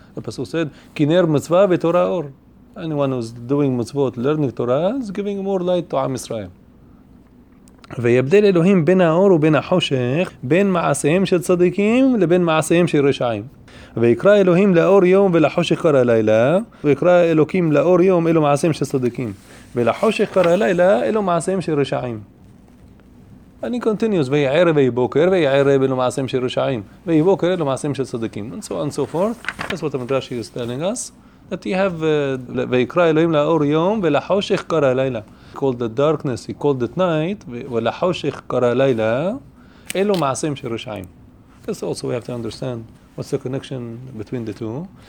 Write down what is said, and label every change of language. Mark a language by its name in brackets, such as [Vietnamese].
[English] The pasuk said, [Hebrew] kiner mitzvah v'torah or. [English] Anyone who's doing mitzvot, learning Torah, is giving more light to Am Israel. [Hebrew] ויבדל אלוהים בין האור ובין החושך, בין מעשיהם של צדיקים לבין מעשיהם של רשעים. ויקרא אלוהים לאור יום ולחושך קרא לילה, ויקרא אלוקים לאור יום אלו מעשיהם של צדיקים, ולחושך קרא לילה אלו מעשיהם של רשעים. אני continuous, ויהי ערב ויהי בוקר, ויהי ערב אלו מעשיהם של רשעים, ויהי בוקר אלו מעשיהם של צדיקים. [English] And so on and so forth, that's what the midrash is telling us, that you have, [Hebrew] ויקרא אלוהים לאור יום ולחושך קרא לילה. [English] He called the darkness, he called it night, [Hebrew] ולחושך קרא לילה, אלו מעשיהם של רשעים. [English] This also we have to understand. What's the connection between the two?